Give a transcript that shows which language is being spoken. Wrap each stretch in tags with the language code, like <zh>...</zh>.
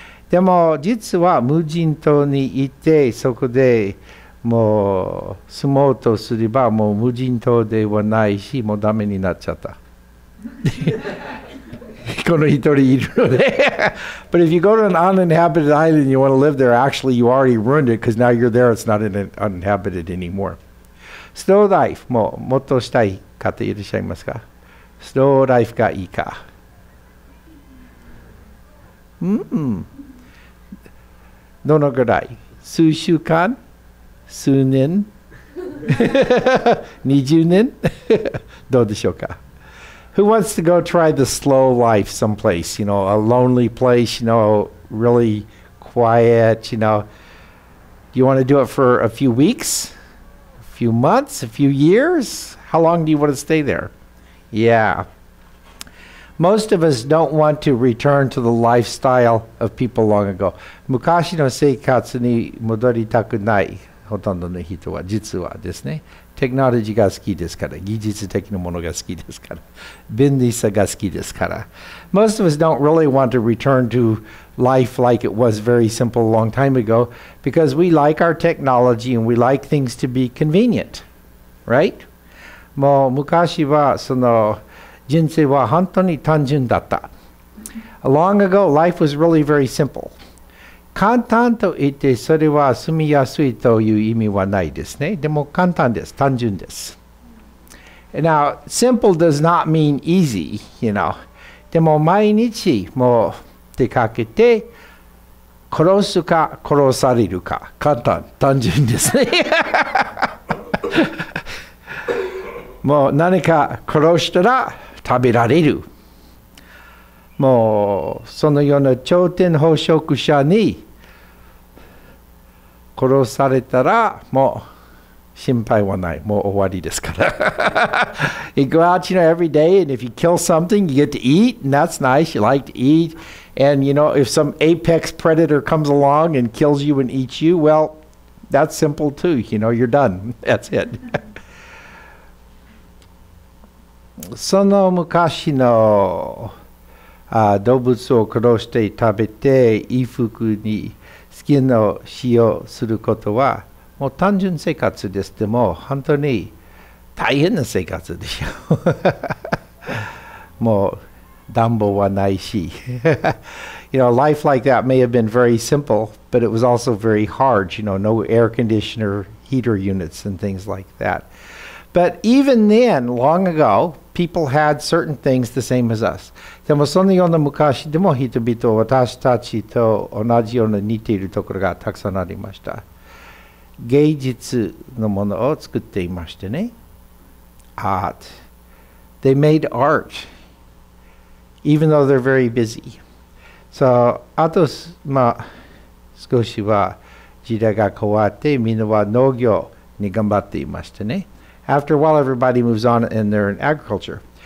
<ja>でも実は無人島にいてそこでもう住もうとすればもう無人島ではないしもうダメになっちゃったこの一人いるので</ja> <en>But if you go to an uninhabited island you want to live there actually you already ruined it because now you're there it's not uninhabited anymore Slow life</en> <ja>もっとしたい方いらっしゃいますか Slow life がいいかどのぐらい数週間数年20年どうでしょうか</ja> <en>Who wants to go try the slow life someplace? You know, a lonely place, you know, really quiet, you know. Do you want to do it for a few weeks? A few months? A few years? How long do you want to stay there? Yeah. Most of us don't want to return to the lifestyle of people long ago.</en> <ja>昔の生活に戻りたくない。ほとんどの人は実はですね、テクノロジーが好きですから、技術的なものが好きですから、便利さが好きですから。</ja> <en>Most of us don't really want to return to life like it was very simple a long time ago because we like our technology and we like things to be convenient, right?</en> <ja>もう昔はその人生は本当に単純だった。</ja> <en>Long ago, life was really very simple.</en> <ja>簡単と言ってそれは住みやすいという意味はないですね。でも簡単です。単純です。</ja> <en>Now, simple does not mean easy, you know.</en> <ja>でも毎日もう出かけて殺すか殺されるか。簡単、単純ですね。もう何か殺したら食べられる。もうそのような頂点捕食者に殺されたらもう心配はない。もう終わりですから。</ja> <en>You go out, you know, every day, and if you kill something, you get to eat, and that's nice. You like to eat. And, you know, if some apex predator comes along and kills you and eats you, well, that's simple too. You know, you're done. That's it.</en> <ja>その昔の動物を殺して食べて衣服に好きな使用することはもう単純生活ですでも本当に大変な生活でしょもう暖房はないし</ja> <en>You know, life like that may have been very simple, but it was also very hard, you know, no air conditioner, heater units and things like that. But even then, long ago, people had certain things the same as us.</en> <ja>でもそのような昔でも人々は私たちと同じように似ているところがたくさんありました。芸術のものを作っていましてね。</ja> <en>Art. They made art, even though they're very busy.</en> <ja>So, あと、まあ、少しは時代が変わってみんなは農業に頑張っていましてね。</ja> <en>After a while, everybody moves on and they're in agriculture.</en>